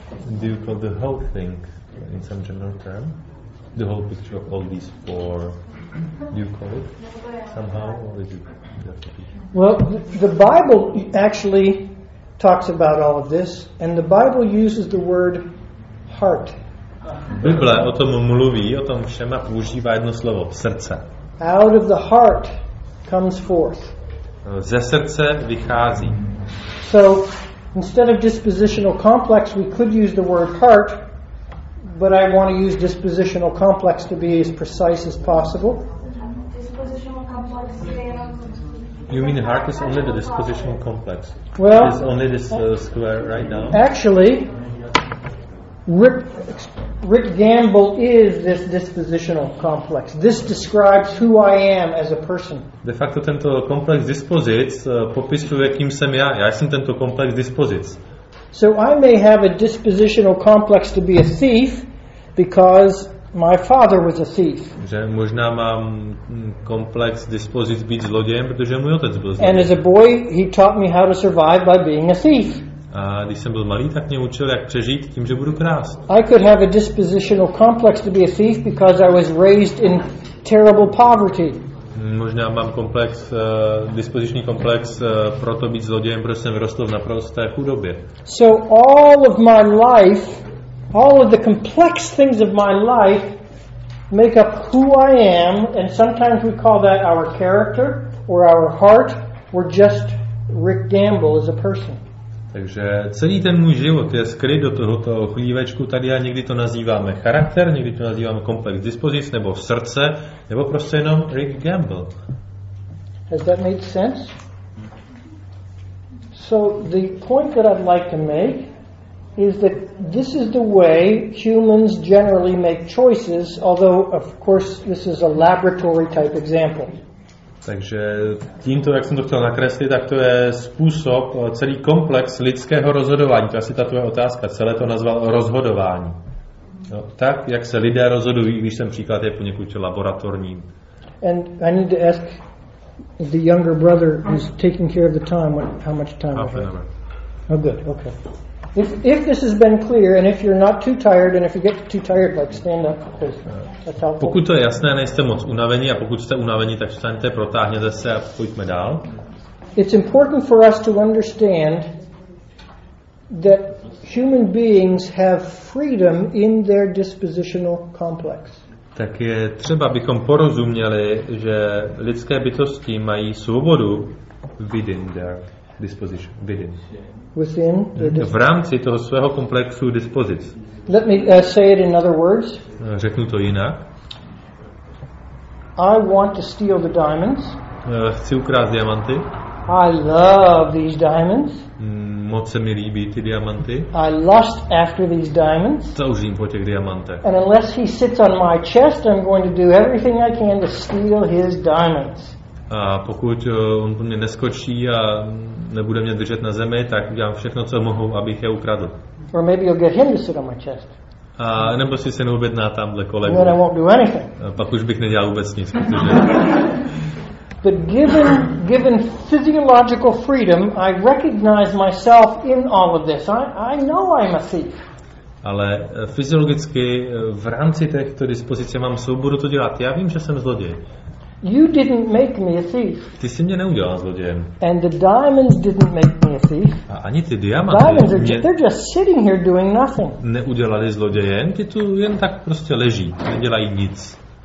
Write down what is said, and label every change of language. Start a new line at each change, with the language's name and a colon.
English: Do you call the whole thing in some general term? The whole picture of all these four, do you call it somehow? Or is it well, the Bible actually talks about all of this, and the Bible uses the word heart.
Czech: Bible o tom mluví, o tom všem a používá jedno slovo, srdce.
English: Out of the heart comes forth.
Czech: Ze srdce vychází.
English: So, instead of dispositional complex, we could use the word heart, but I want to use dispositional complex to be as precise as possible. Dispositional complex. You mean heart is only the dispositional complex? Well, it's only this square right now. Actually, Rick Gamble is this dispositional complex. This describes who I am as a person.
Czech: De facto tento komplex dispozic popisuje, kým jsem já. Já jsem tento komplex dispozic.
English: So I may have a dispositional complex to be a thief because my father was a thief.
Czech: Že možná mám komplex dispozic být zlodějem, protože můj otec byl zlodějem.
English: And as a boy, he taught me how to survive by being a thief.
Czech: A když jsem byl malý, tak mě učil, jak přežít tím, že budu krást.
English: I could have a dispositional complex to be a thief because I was raised in terrible poverty.
Czech: Možná mám komplex, dispoziční komplex proto být zlodějem, protože jsem vyrostl v naprosté chudobě.
English: So all of my life, all of the complex things of my life make up who I am, and sometimes we call that our character or our heart or just Rick Gamble as a person.
Czech: Takže celý ten můj život je skryt do tohoto chlívečku tady a někdy to nazýváme charakter, někdy to nazýváme komplex dispozic, nebo srdce, nebo prostě jenom Rick Gamble.
English: Has that made sense? So the point that I'd like to make is that this is the way humans generally make choices, although of course this is a laboratory type example.
Czech: Takže tímto, jak jsem to chtěl nakreslit, tak to je způsob, celý komplex lidského rozhodování. To je asi ta tvoje otázka. Celé to nazval rozhodování. No, tak, jak se lidé rozhodují, když ten příklad je poněkud laboratorní.
English: And I need to ask the younger brother who's taking care of the time, how much time I have. Oh, good, okay. If this has been clear, and if you're not too tired, and if you get too tired, like stand up, because that's helpful.
Czech: Pokud to je jasné, nejste moc unavení, a pokud jste unavení, tak vstaňte, protáhněte se a pojďme dál.
English: It's important for us to understand that human beings have freedom in their dispositional complex.
Czech: Tak je třeba, bychom porozuměli, že lidské bytosti mají svobodu
English: within their disposition, within. Within
Czech: the v rámci toho svého komplexu dispozic.
English: Let me say it in other words.
Czech: Řeknu to jinak.
English: I want to steal the diamonds.
Czech: Chci ukrást diamanty.
English: I love these diamonds.
Czech: Moc se mi líbí ty diamanty.
English: I lust after these diamonds.
Czech: Toužím po těch diamantech.
English: And unless he sits on my chest, I'm going to do everything I can to steal his diamonds.
Czech: A pokud on po mě neskočí a nebude mě držet na zemi, tak udělám všechno, co mohu, abych je ukradl.
English: Or maybe you'll get him to sit on my chest.
Czech: A nebo si se neobjedná tamhle kolegu.
English: Then I won't do anything.
Czech: A pak už bych nedělal vůbec nic, protože...
English: But given physiological freedom, I recognize myself in all of this. I know I'm a thief.
Czech: Ale fyziologicky v rámci těchto dispozice mám svobodu to dělat. Já vím, že jsem zloděj.
English: You didn't make me a thief.
Czech: Ty jsi mě neudělal zlodějem.
English: And the diamonds didn't make me a thief.
Czech: A ani ty diamanty.
English: Diamonds are they're just sitting here doing nothing.
Czech: Neudělali zlodějem, ty tu jen tak prostě leží, nedělají nic.